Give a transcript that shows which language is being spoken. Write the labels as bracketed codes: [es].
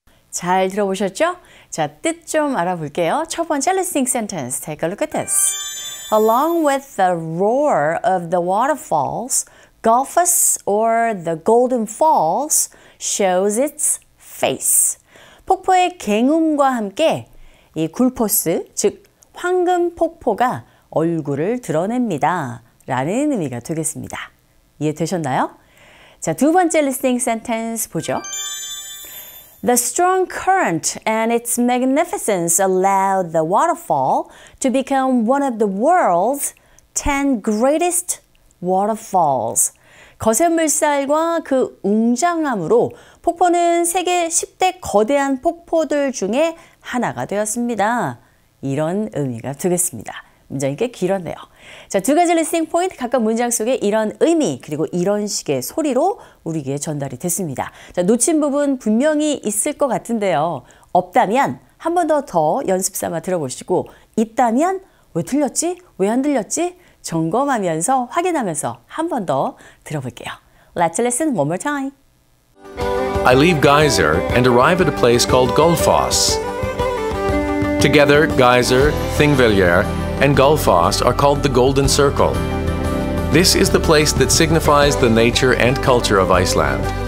[ko] 잘 들어보셨죠? 자, 뜻 좀 알아볼게요. 첫 번째 [en] listening sentence, take a look at this. Along with the roar of the waterfalls, Gullfoss or the Golden Falls shows its face. [ko] 폭포의 갱음과 함께 이 굴포스, 즉 황금 폭포가 얼굴을 드러냅니다. 라는 의미가 되겠습니다. 이해되셨나요? 자, 두 번째 [en] listening sentence [ko] 보죠. [en] The strong current and its magnificence allowed the waterfall to become one of the world's 10 greatest waterfalls. [ko] 거센 물살과 그 웅장함으로 폭포는 세계 10대 거대한 폭포들 중에 하나가 되었습니다. 이런 의미가 되겠습니다. 문장이 꽤 길었네요. 자, 두 가지 리스닝 포인트 각각 문장 속에 이런 의미 그리고 이런 식의 소리로 우리에게 전달이 됐습니다. 자, 놓친 부분 분명히 있을 것 같은데요. 없다면 한 번 더 연습 삼아 들어보시고 있다면 왜 틀렸지? 왜 안 들렸지? 점검하면서 확인하면서 한 번 더 들어볼게요. [en] Let's listen one more time. I leave Geyser and arrive at a place called Gullfoss. Together, Geyser, Thingvellir, and Gullfoss are called the Golden Circle. This is the place that signifies the nature and culture of Iceland.